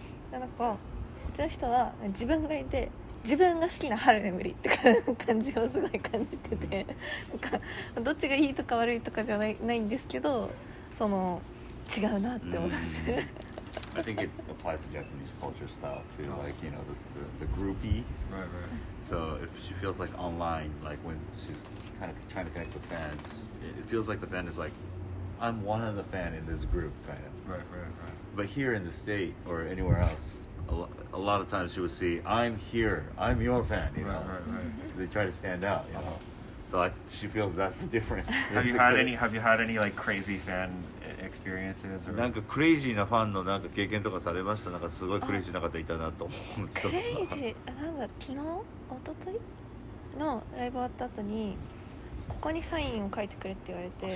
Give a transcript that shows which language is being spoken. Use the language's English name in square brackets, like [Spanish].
[Japanese] だからこっちの人は自分がいて、自分が好きな春眠りって感じをすごい感じてて、なんかどっちがいいとか悪いとかじゃないんですけど、その違うなって思います。 [English] I think it applies to Japanese culture style too, like, you know, the groupies. Right, right. So if she feels like online, like when she's kind of trying to connect with fans, it feels like the fan is like, I'm one of the fan in this group, kind of. Right, right, right. But here in the state or anywhere else, a lot of times she would see, I'm here, I'm your fan, you know. Right, right, right. They try to stand out, you know. So she feels that's the difference. Have you had any like crazy fan experiences? [Japanese] なんかクレイジーなファンのなんか経験とかされました？なんかすごいクレイジーな方いたなと思う。クレイジー、なんだ、昨日一昨日のライブ終わった後にここにサインを書いてくれって言われて、